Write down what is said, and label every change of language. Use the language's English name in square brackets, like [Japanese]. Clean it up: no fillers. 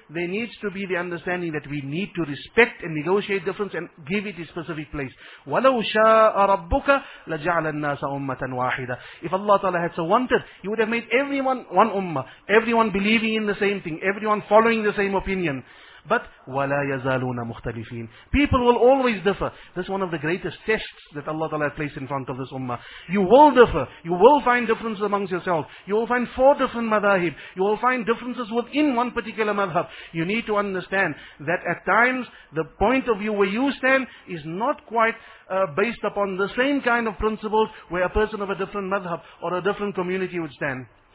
[English] There needs to be the understanding that we need to respect and negotiate difference and give it a specific place. [Arabic] وَلَوْ شَاءَ رَبُّكَ لَجَعْلَ النَّاسَ أُمَّةً وَاحِدًا. [English] If Allah Ta'ala had so wanted, He would have made everyone one ummah, everyone believing in the same thing, everyone following the same opinion. But [Arabic] وَلَا يَزَالُونَ مُخْتَلِفِينَ. [English] People will always differ. This is one of the greatest tests that Allah Ta'ala has placed in front of this ummah. You will differ. You will find differences amongst yourself. You will find four different madhahib. You will find differences within one particular madhab. You need to understand that at times the point of view where you stand is not quite based upon the same kind of principles where a person of a different madhab or a different community would stand.